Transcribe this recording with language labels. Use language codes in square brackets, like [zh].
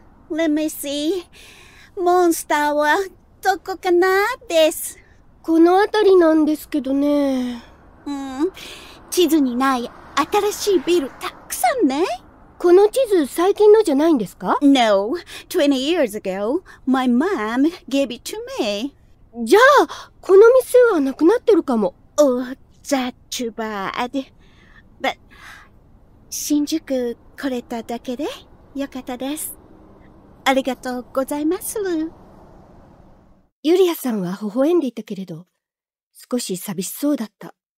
[en] Let me see. [ja] モンスターはどこかなです。この辺りなんですけどね。地図にない新しいビルたくさんね。この地図最近のじゃないんですか？ [en] No. 20 years ago, my mom gave it to me. [ja] じゃあ、この店はなくなってるかも。 [en] Oh, that's too bad. [ja] But, 新宿来れただけでよかったです。ありがとうございます。ユリアさんは微笑んでいたけれど、少し寂しそうだった。